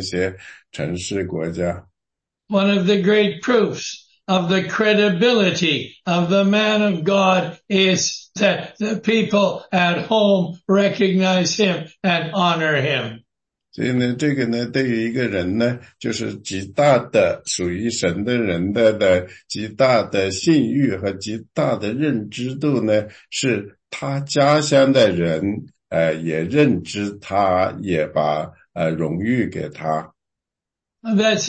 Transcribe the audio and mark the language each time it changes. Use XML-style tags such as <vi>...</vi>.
<zh>我回到我家乡呢，我要告诉我所有的认识呢，告诉我所有的亲人，告诉我所有的亲戚，告诉我所有的我的那个家乡周围的，包括叙利亚在内的那些城市国家。</zh> <en>One of the great proofs of the credibility of the man of God is that the people at home recognize him and honor him.</en> <zh>所以呢，这个呢，对于一个人呢，就是极大的属于神的人的极大的信誉和极大的认知度呢，是他家乡的人，也认知他，也把荣誉给他。</zh> <en>That's</en>